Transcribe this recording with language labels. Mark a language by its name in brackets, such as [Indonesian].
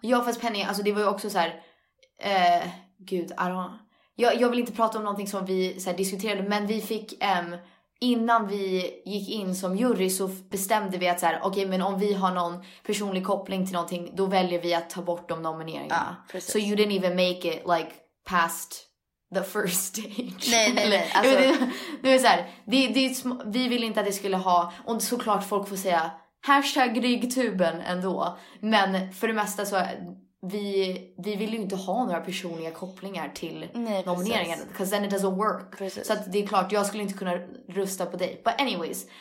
[Swedish] Ja, fast Penny, alltså det var ju också så här. Gud, [English] I don't... [Swedish] Jag vill inte prata om någonting som vi så här, diskuterade, men vi fick... innan vi gick in som jury så bestämde vi att så här, okay, men om vi har någon personlig koppling till någonting, då väljer vi att ta bort de nomineringarna. Ah, precis. [English] So you didn't even make it like past the first stage. [Swedish] Nej. Alltså... det är så här, det, vi vill inte att det skulle ha, och såklart folk får säga hashtag riggtuben ändå. Men för det mesta så vi vill ju inte ha några personliga kopplingar till nomineringen. [English] Because then it doesn't work. [Swedish] Precis. Så att det är klart, jag skulle inte kunna rösta på dig. [English] But anyways.